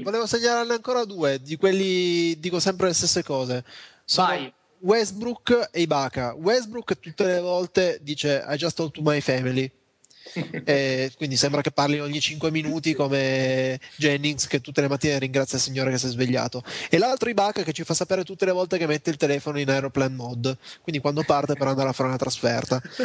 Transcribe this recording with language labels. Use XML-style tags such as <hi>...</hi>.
<it>Volevo segnalarne ancora due, di quelli dico sempre le stesse cose. Vai. Westbrook e Ibaka. Westbrook tutte le volte dice</it> <en>I just talked to my family.</en> <it>quindi sembra che parli ogni 5 minuti come Jennings che tutte le mattine ringrazia il signore che si è svegliato, e l'altro Ibaka che ci fa sapere tutte le volte che mette il telefono in aeroplane mode, quindi quando parte per andare a fare una trasferta.</it>